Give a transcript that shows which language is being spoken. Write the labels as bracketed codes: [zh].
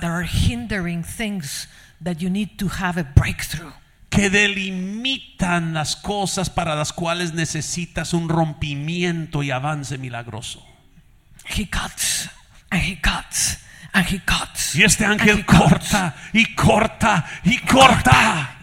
[en] There are hindering things that you need to have a breakthrough. [es] Que delimitan las cosas para las cuales necesitas un rompimiento y avance milagroso. [en] He cuts and he cuts and he cuts. [es] Y este ángel corta y corta y corta.